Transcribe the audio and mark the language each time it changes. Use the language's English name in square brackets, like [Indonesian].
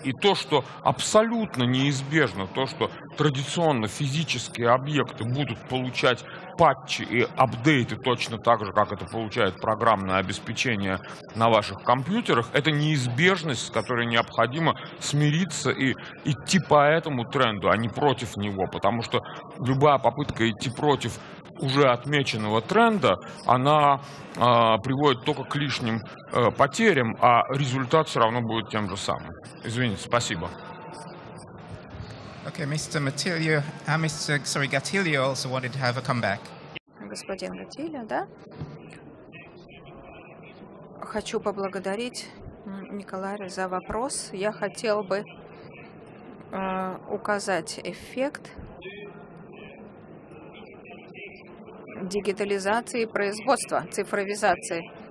[Russian] И то, что абсолютно неизбежно, то, что традиционно физические объекты будут получать патчи и апдейты точно так же, как это получает программное обеспечение на ваших компьютерах, это неизбежность, с которой необходимо смириться и идти по этому тренду, а не против него. Потому что любая попытка идти против уже отмеченного тренда, она приводит только к лишним потерям, а результат все равно будет тем же самым. Извините, спасибо. [English] Okay, Mr. Matilio, Gatilio also wanted to have a comeback. [Russian] Господин Gatilio, да? Хочу поблагодарить Николая за вопрос. Я хотел бы указать эффект дигитализации производства, цифровизации.